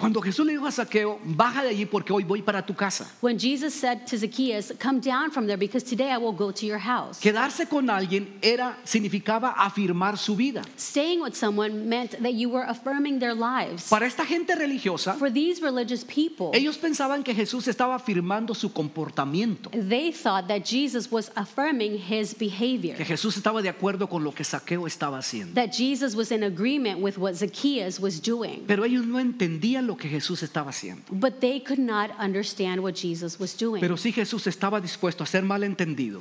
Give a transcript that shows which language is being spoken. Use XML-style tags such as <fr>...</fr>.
<es>Cuando Jesús le dijo a Zaqueo, baja de allí porque hoy voy para tu casa.</es> <en>When Jesus said to Zacchaeus, come down from there because today I will go to your house.</en> <es>Quedarse con alguien era, significaba afirmar su vida.</es> <en>Staying with someone meant that you were affirming their lives.</en> <es>Para esta gente religiosa,</es> <en>for these religious people,</en> <es>ellos pensaban que Jesús estaba afirmando su comportamiento.</es> <en>They thought that Jesus was affirming his behavior.</en> <es>Que Jesús estaba de acuerdo con lo que Zaqueo estaba haciendo.</es> <en>That Jesus was in agreement with what Zacchaeus was doing.</en> <es>Pero ellos no entendían lo que Jesús estaba haciendo.</es> <en>But they could not understand what Jesus was doing.</en> <es>Pero sí Jesús estaba dispuesto a ser malentendido.</es>